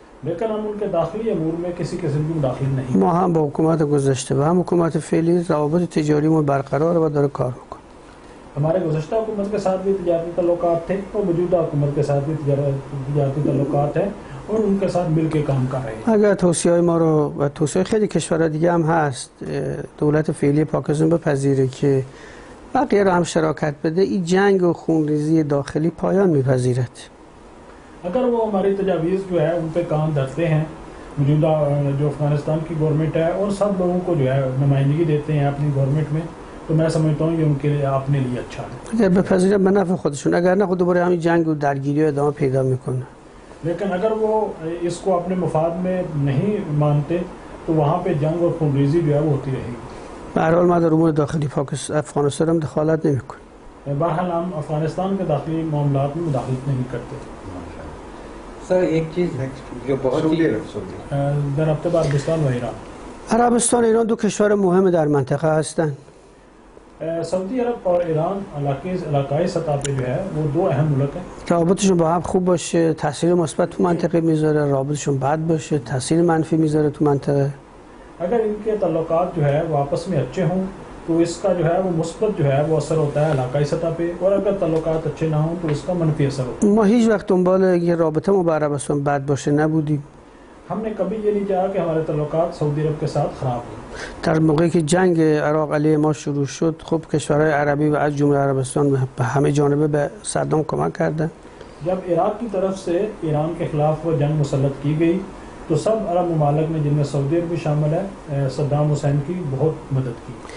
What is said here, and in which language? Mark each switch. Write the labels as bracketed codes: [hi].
[ur] لیکن ہم ان کے داخلی امور میں کسی قسم کی مداخلت نہیں. [fa] ما هم با حکومت گذشته و هم حکومت فعلی روابط تجاریمون برقرار و داره کار میکنه. [ur] ہمارے گزشتہ حکومت کے ساتھ بھی تجارتی تعلقات تھے اور موجودہ حکومت کے ساتھ بھی تجارتی تعلقات ہیں اور ان کے ساتھ مل کے کام کر رہے ہیں. [fa] اگر توصیه ما رو و توصیه خیلی کشورها دیگه هم هست دولت فعلی پاکستان بپذیره که بقیه رو هم شراکت بده این جنگ و خونریزی داخلی پایان میپذیرد. [ur] اگر وہ ہماری تجاویز جو ہے ان پہ کام دھرتے ہیں موجودہ جو افغانستان کی گورنمنٹ ہے اور سب لوگوں کو جو ہے نمائندگی دیتے ہیں اپنی گورنمنٹ میں تو میں سمجھتا ہوں کہ ان کے لیے اپنے لیے اچھا ہے. [fa] اگر بپذیرن منافع خودشون اگر نہ خود دوباره همین جنگ و درگیری و ادامه پیدا میکنه. [ur] لیکن اگر وہ اس کو اپنے مفاد میں نہیں مانتے تو وہاں پہ جنگ اور خونریزی جو ہے وہ ہوتی رہے گی. [fa] بہرحال ما در امور داخلی پاکستان افغانستان هم دخالت نمیکنیم. [ur] بہرحال ہم افغانستان کے داخلی معاملات میں مداخلت نہیں کرتے. سر ایک چیز جو بہت ہی [fa] در ہفتے بعد عربستان و ایران. عربستان ایران دو کشور مهم در منطقه هستند. [ur] سعودی عرب اور ایران علاقائی سطح پہ جو ہے وہ دو اہم ملک ہیں. [fa] رابطشون با هم خوب باشه تاثیر مثبت تو منطقه میذاره، رابطشون بد باشه تاثیر منفی میذاره تو منطقه. [ur] اگر ان کے تعلقات جو ہے وہ آپس میں اچھے ہوں تو اس کا جو ہے وہ مثبت جو ہے وہ اثر ہوتا ہے علاقائی سطح پہ، اور اگر تعلقات اچھے نہ ہوں تو اس کا منفی اثر ہوتا ہے. [fa] ما هیچ وقت دنبال یہ رابطه ما با عربستان بد باشه نبودیم. [ur] ہم نے کبھی یہ نہیں چاہا کہ ہمارے تعلقات سعودی عرب کے ساتھ خراب ہوں. [fa] در موقعی که جنگ عراق علیه ما شروع شد خب کشورهای عربی و از جمله عربستان به همه جانبه به صدام کمک کرده. [ur] جب عراق کی طرف سے ایران کے خلاف وہ جنگ مسلط کی گئی تو سب عرب ممالک میں جن میں سعودی عرب بھی شامل ہے صدام حسین کی بہت مدد کی.